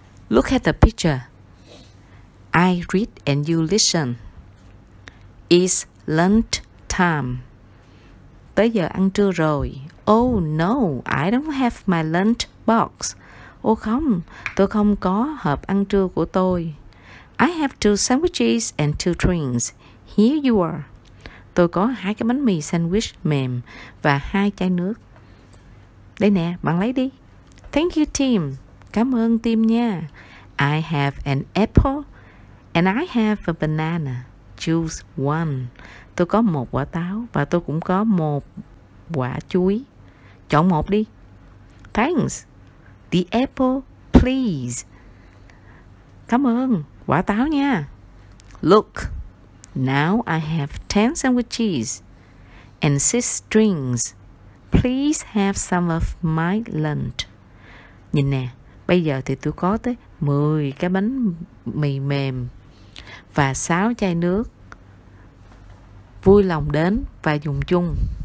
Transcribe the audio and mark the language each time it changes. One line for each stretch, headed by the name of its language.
English: Look at the picture. I read and you listen. It's lunch time.
Vietnamese: Tới giờ ăn trưa rồi.
English: Oh no, I don't have my lunch box.
Vietnamese: Oh không, tôi không có hộp ăn trưa của tôi.
English: I have 2 sandwiches and 2 drinks. Here you are.
Vietnamese: Tôi có 2 cái bánh mì sandwich mềm và 2 chai nước. Đây nè, bạn lấy đi.
English: Thank you, Tim.
Vietnamese: Cảm ơn Tim nha.
English: I have an apple and I have a banana. Choose one.
Vietnamese: Tôi có 1 quả táo và tôi cũng có 1 quả chuối. Chọn một đi.
English: Thanks. The apple, please.
Vietnamese: Cảm ơn. Quả táo nha.
English: Look. Now I have 10 sandwiches and 6 drinks. Please have some of my lunch.
Vietnamese: Nhìn nè. Bây giờ thì tôi có tới 10 cái bánh mì mềm và 6 chai nước. Vui lòng đến và dùng chung.